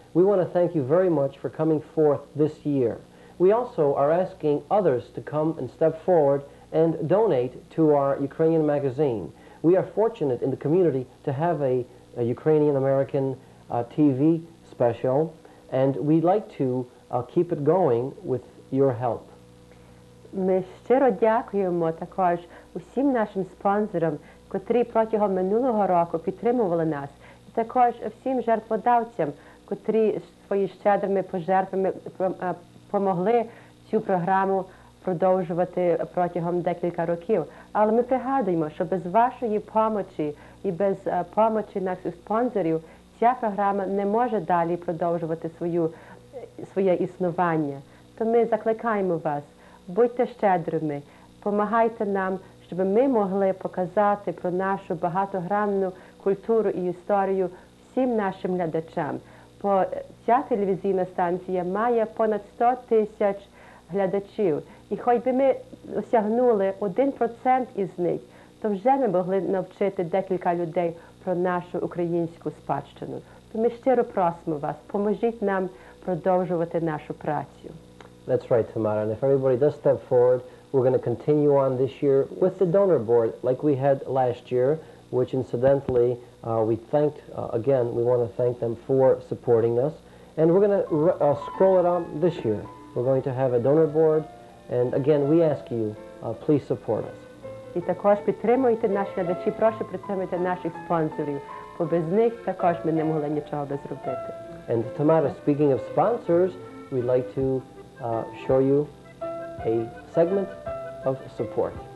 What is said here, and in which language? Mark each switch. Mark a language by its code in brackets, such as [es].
[en] We want to thank you very much for coming forth this year. We also are asking others to come and step forward and donate to our Ukrainian magazine. We are fortunate in the community to have a Ukrainian-American TV special, and we'd like to keep it going with your help. [uk] Ми щиро дякуємо також усім нашим спонсорам, котрі протягом минулого року підтримували нас, і також всім жертводавцям, котрі свої щедрими пожертвами помогли цю програму продовжувати протягом декілька років. Але ми пригадуємо, що без вашої помочі і без помочі наших спонсорів ця програма не може далі продовжувати своє існування. То ми закликаємо вас, будьте щедрими, допомагайте нам, щоб ми могли показати про нашу багатогранну культуру і історію всім нашим глядачам. Бо ця телевізійна станція має понад 100 тисяч глядачів. І хоч би ми осягнули 1% із них, то вже ми могли навчити декілька людей про нашу українську спадщину. То ми щиро просимо вас, поможіть нам продовжувати нашу працю. [en] That's right, Tamara. And if everybody does step forward, we're going to continue on this year with the donor board like we had last year, which incidentally we thanked, again, we want to thank them for supporting us. And we're going to scroll it up this year. We're going to have a donor board. And again, we ask you, please support us. [uk] І також підтримуйте наші глядачі, прошу підтримуйте наших спонсорів, бо без них також ми не могли нічого би зробити. [en] And Tamara, speaking of sponsors, we'd like to show you a segment of support.